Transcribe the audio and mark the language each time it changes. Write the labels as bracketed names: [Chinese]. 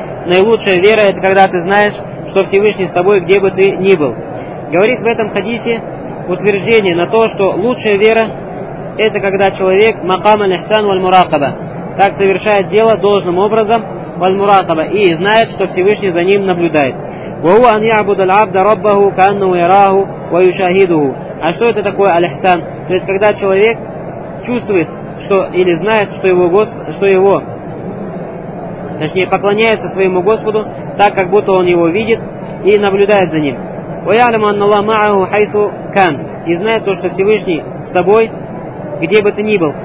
[Russian] Наилучшая вера — это когда ты знаешь, что Всевышний с тобой, где бы ты ни был. Говорит в этом хадисе утверждение на то, что лучшая вера — это когда человек макам аль-ихсан валь-муракаба, так совершает дело должным образом, валь-муракаба, и знает, что Всевышний за ним наблюдает. [Arabic] وهو أن يعبد العبد ربه كأنه يراه ويشاهده. [Russian] А что это такое аль-ихсан? То есть когда человек чувствует, что, или знает, что его Господь, что его, точнее, поклоняется своему Господу так, как будто он его видит и наблюдает за ним. [Arabic] وَيَعْلَمُ أَنَّ اللَّهَ مَعَهُ حَيْثُ كَانَ. [Russian] И знает то, что Всевышний с тобой, где бы ты ни был.